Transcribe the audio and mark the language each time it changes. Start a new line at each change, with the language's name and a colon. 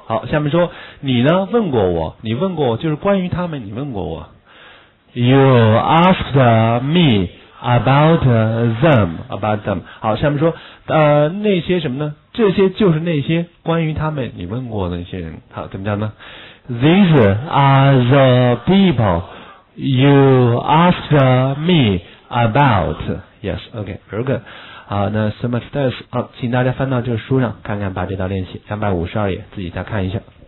Chinese: 好，下面说，你呢？问过我，你问过我，就是关于他们，你问过我。
English: You asked me about them, about them.
Chinese: 好，下面说，那些什么呢？这些就是那些关于他们，你问过的那些人。好，怎么讲呢？
English: These are the people you asked me about. Yes, okay, very good.
Chinese: 好，那
English: so much thanks.
Chinese: 好，请大家翻到这个书上，看看把这道练习252页，自己再看一下。